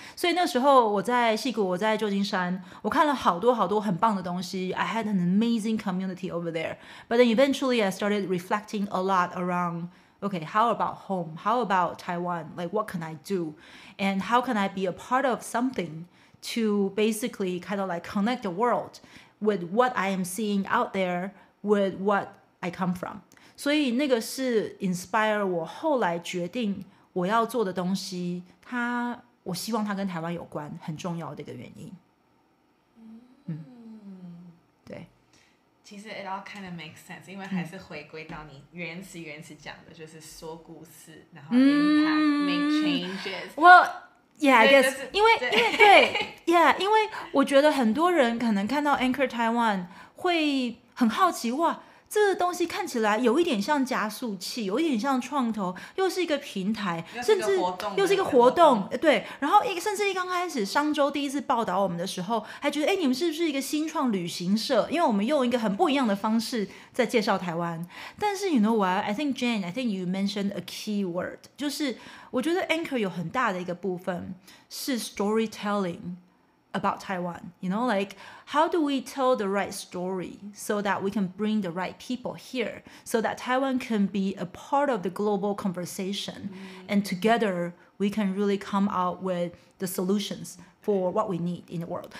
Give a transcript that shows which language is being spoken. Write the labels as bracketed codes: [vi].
[zh] 所以那时候我在矽谷，我在旧金山，我看了好多好多很棒的东西， [en] I had an amazing community over there， but then eventually I started reflecting a lot aroundOkay, how about home? How about Taiwan? Like, what can I do? And how can I be a part of something to basically kind of like connect the world with what I am seeing out there with what I come from? [zh] 所以那个是 inspire 我后来决定我要做的东西，它，我希望它跟台湾有关，很重要的一个原因。其实 [en] it all kind of makes sense， [zh] 因为还是回归到你原始讲的，就是说故事，然后 [en] impact make changes。 Yeah, I guess. [zh] 因为对 ，Yeah， 因为我觉得很多人可能看到 Anchor Taiwan 会很好奇，哇，这个东西看起来有一点像加速器，有一点像创投，又是一个平台，甚至又是一个活动，对。然后甚至一刚开始商周第一次报道我们的时候，还觉得你们是不是一个新创旅行社，因为我们用一个很不一样的方式在介绍台湾。但是 [en] you know what， I think Jane， I think you mentioned a key word， [zh] 就是我觉得 Anchor 有很大的一个部分是 [en] storytellingabout Taiwan, you know, like how do we tell the right story so that we can bring the right people here so that Taiwan can be a part of the global conversation、and together we can really come out with the solutions for what we need in the world.